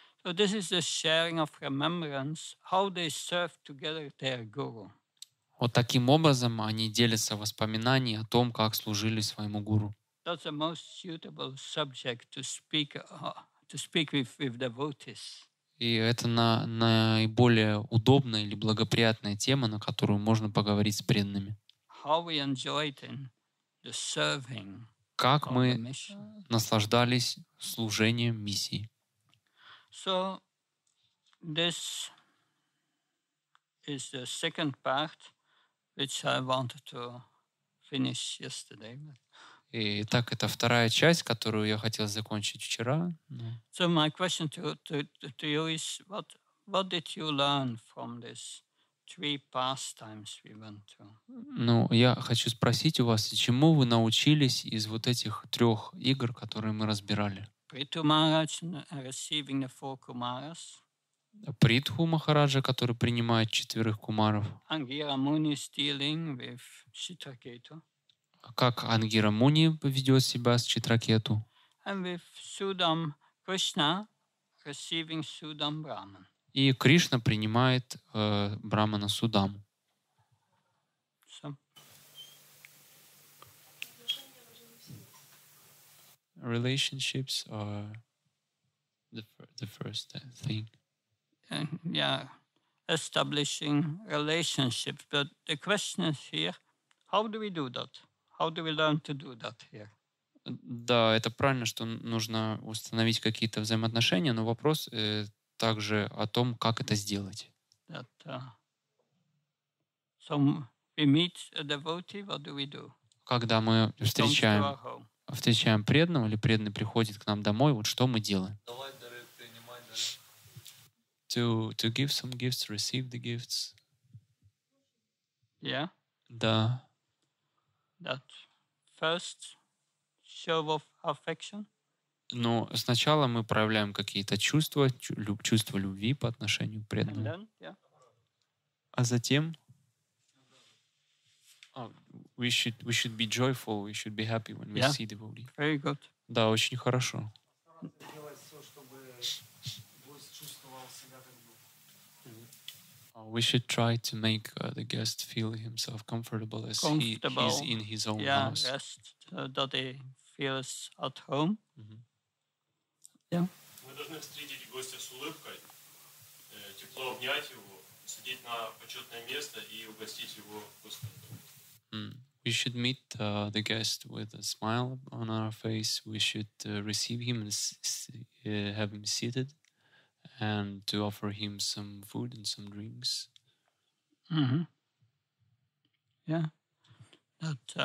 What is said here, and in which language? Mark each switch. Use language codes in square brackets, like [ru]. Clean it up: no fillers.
[en] So this is the sharing of remembrance, how they served together their guru. [ru] Вот таким образом они делятся воспоминаниями о том, как служили своему гуру. [en] That's the most suitable subject to speak with devotees. [ru] И это наиболее удобная или благоприятная тема, на которую можно поговорить с преданными. [en] How we enjoyed in the serving. [ru] Как мы наслаждались служением миссии. [en] So this is the second part, which I wanted to finish yesterday. [ru] Итак, это вторая часть, которую я хотел закончить вчера. [en] So my question to you is, what did you learn from this? Three pastimes we went to. [ru] Ну, я хочу спросить у вас, чему вы научились из вот этих трех игр, которые мы разбирали? [en] Притху Махараджа, receiving the four kumaras. [ru] Притху Махараджа, который принимает четверых кумаров. [en] Ангира Муни dealing with Читракету. [ru] Как Ангира Муни поведет себя с Читракету? [en] And with Судам Кришна, receiving Судам Брахман. [ru] И Кришна принимает Брахмана Судаму. [en] Relationships are the first thing. Establishing relationships. But the question is here, how do we do that? How do we learn to do that here? [ru] Да, это правильно, что нужно установить какие-то взаимоотношения, но вопрос... также о том, как это сделать. Когда мы встречаем преданного или преданный приходит к нам домой, вот что мы делаем? Давать дары, принимать дары. [en] To give some gifts, receive the gifts. Yeah. [ru] Да. [en] That first show of affection. [ru] Но сначала мы проявляем какие-то чувства, чувства любви по отношению к преданному. [en] And then, yeah. [ru] А затем? [en] Oh, we should be joyful, we should be happy when we see devotee. Very good. [ru] Да, очень хорошо. [en] We should try to make the guest feel himself comfortable as comfortable. He is in his own house. Yeah, guest, that he feels at home. Mm-hmm. [ru] Мы должны встретить гостя с улыбкой, тепло обнять его, садить на почетное место и угостить его вкусно. [en] we should meet the guest with a smile on our face. We should receive him and have him seated and to offer him some food and some drinks. Mm-hmm. Yeah. But,